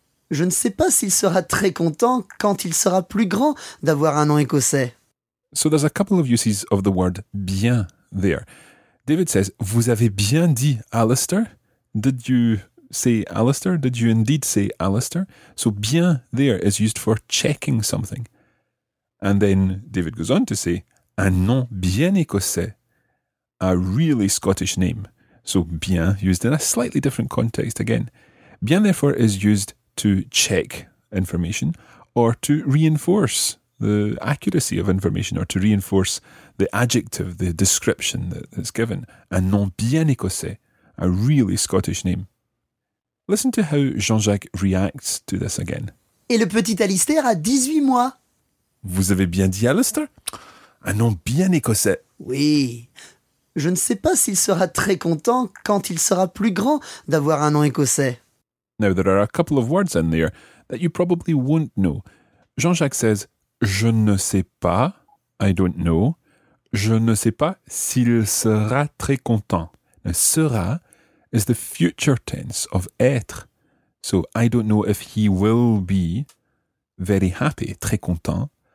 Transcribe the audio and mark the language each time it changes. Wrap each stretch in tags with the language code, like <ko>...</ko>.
<fr>Je ne sais pas s'il sera très content quand il sera plus grand d'avoir un nom écossais.</fr> <en>So there's a couple of uses of the word bien there. David says,</en> <fr>vous avez bien dit Alistair?</fr> <en>Did you say Alistair? Did you indeed say Alistair? So bien there is used for checking something. And then David goes on to say,</en> <fr>un nom bien écossais,</fr> <en>a really Scottish name. So bien, used in a slightly different context again. Bien, therefore, is used to check information or to reinforce the accuracy of information or to reinforce the adjective, the description that's given.</en> <fr>Un nom bien écossais,</fr> <en>a really Scottish name. Listen to how Jean-Jacques reacts to this again.</en> <fr>Et le petit Alistair a 18 mois. Vous avez bien dit Alistair? Un nom bien écossais. Oui. Je ne sais pas s'il sera très content quand il sera plus grand d'avoir un nom écossais.</fr> <en>Now, there are a couple of words in there that you probably won't know. Jean-Jacques says,</en> <fr>je ne sais pas,</fr> <en>I don't know.</en> <fr>Je ne sais pas s'il sera très content.</fr> <en>Now, sera is the future tense of être. So, I don't know if he will be very happy,</en> <fr>très content.</fr>